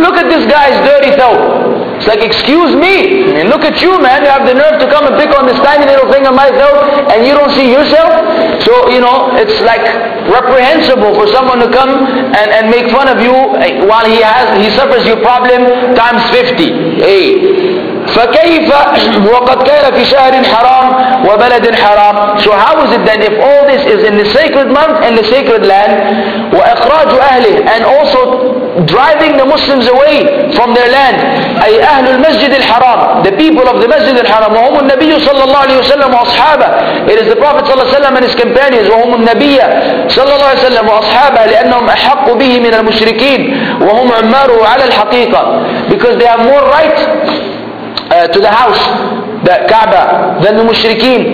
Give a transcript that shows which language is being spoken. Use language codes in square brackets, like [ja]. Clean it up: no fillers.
[en] Look at this guy's dirty throat." It's like, excuse me, I mean, look at you, man, you have the nerve to come and pick on this tiny little thing on my throat and you don't see yourself. So, you know, it's like reprehensible for someone to come and make fun of you while he suffers your problem times 50. Hey. [ar] فكيف وقد كان في شهر حرام وبلد حرام. [en] So how is it that if all this is in the sacred month and the sacred land, [ar] وإخراج أهله, [en] and also driving the Muslims away from their land, [ar] أي أهل المسجد الحرام, [en] the people of the Masjid al-Haram, [ar] وهم النبي صلى الله عليه وسلم وأصحابه. [en] It is the Prophet صلى الله عليه وسلم and his companions, [ar] وهم النبي صلى الله عليه وسلم وأصحابه, لأنهم أحق به من المشركين, وهم عماره على الحقيقة, [en] because they have more right to the house, the Kaaba, than the mushrikeen.